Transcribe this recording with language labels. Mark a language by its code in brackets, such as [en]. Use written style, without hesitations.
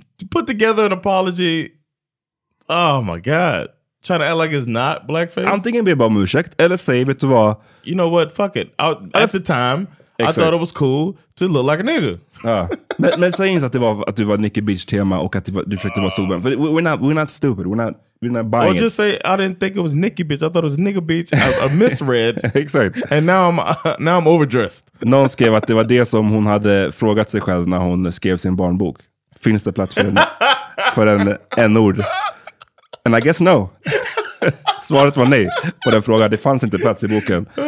[en] Put together an apology. Oh my god. Trying to act like it's not blackface? I'm thinking about mushek. [sv] Eller say, vet du vad? [en] You know what? Fuck it. At the time, exactly. I thought it was cool to look like a nigga. [sv] Men säg inte att du var Nicki Beach-tema och att du försökte vara solbränd. [en] För we're not stupid. We're not buying it. Or just say, I didn't think it was Nicki Beach. I thought it was Nigga Beach. I misread. Exactly. And now I'm overdressed. [sv] Någon skrev att det var det som hon hade frågat sig själv när hon skrev sin barnbok. Finns det plats för en ord? [en] And I guess no. [sv] Svaret var nej på den frågan. Det fanns inte plats i boken.